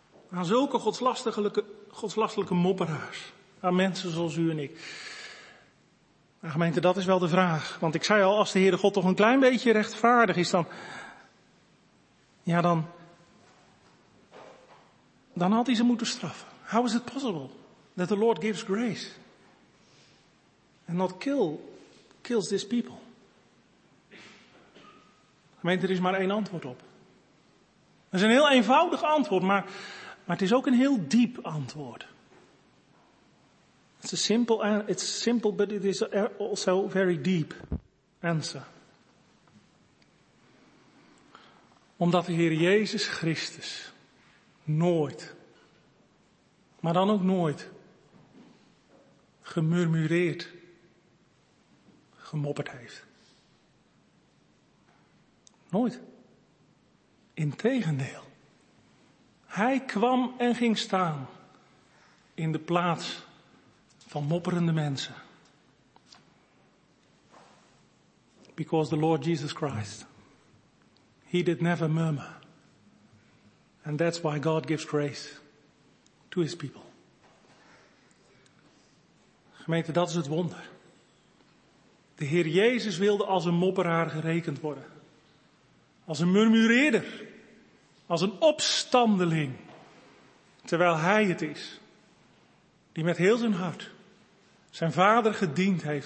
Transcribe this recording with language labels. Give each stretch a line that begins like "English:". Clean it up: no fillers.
Dutch: Aan zulke godslasterlijke mopperaars. Aan mensen zoals u en ik. Nou, gemeente, dat is wel de vraag. Want ik zei al, als de Heere God toch een klein beetje rechtvaardig is, dan... Ja, dan... Dan had hij ze moeten straffen.
English: How is it possible that the Lord gives grace and not kills these people?
Dutch: Gemeente, er is maar één antwoord op. Dat is een heel eenvoudig antwoord, maar het is ook een heel diep antwoord.
English: It's simple, but it is also very deep answer.
Dutch: Omdat de Heer Jezus Christus nooit, maar dan ook nooit, gemurmureerd, gemopperd heeft. Nooit. Integendeel. Hij kwam en ging staan in de plaats van mopperende mensen.
English: Because the Lord Jesus Christ, he did never murmur. And that's why God gives grace to his people.
Dutch: Gemeente, dat is het wonder. De Heer Jezus wilde als een mopperaar gerekend worden. Als een murmureerder. Als een opstandeling. Terwijl hij het is. Die met heel zijn hart zijn vader gediend heeft.